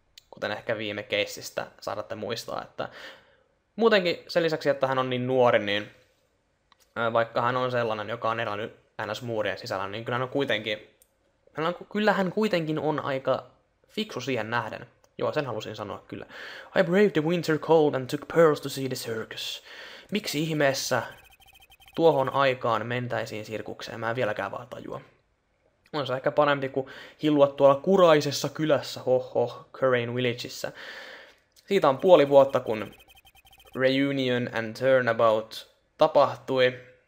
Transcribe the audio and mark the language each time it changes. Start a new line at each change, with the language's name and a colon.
Finnish: Kuten ehkä viime keissistä saatatte muistaa, että muutenkin sen lisäksi, että hän on niin nuori, niin vaikka hän on sellainen, joka on elänyt ns. Muurien sisällä, niin kyllähän on kuitenkin, kyllähän kuitenkin on aika fiksu siihen nähden. Joo, sen halusin sanoa kyllä.
English: I braved the winter cold and took pearls to see the circus.
Finnish: Miksi ihmeessä tuohon aikaan mentäisiin sirkukseen? Mä en vieläkään vaan tajua. On se ehkä parempi kuin hillua tuolla kuraisessa kylässä, Curraine Villageissa. Siitä on puoli vuotta, kun Reunion and Turnabout tapahtui.